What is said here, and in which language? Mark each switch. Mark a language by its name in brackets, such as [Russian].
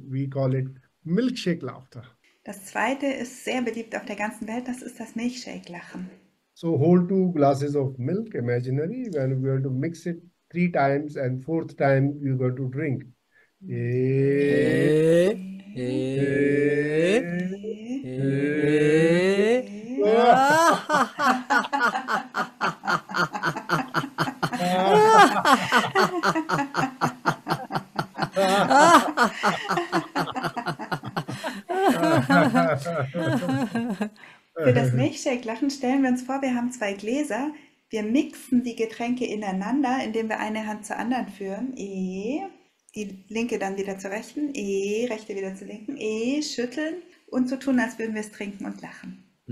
[English] We call it milkshake laughter. [German] Das zweite ist sehr beliebt auf der ganzen Welt, das ist das Milchshake-Lachen. [English] So hold two glasses of milk, imaginary, when we're going to mix it three times, and fourth time you're going to drink. [German] Für das Milchshake-Lachen stellen wir uns vor, wir haben zwei Gläser. Wir mixen die Getränke ineinander, indem wir eine Hand zur anderen führen. Die linke dann wieder zur rechten. Rechte wieder zur linken. Schütteln und so tun, als würden wir es trinken und lachen.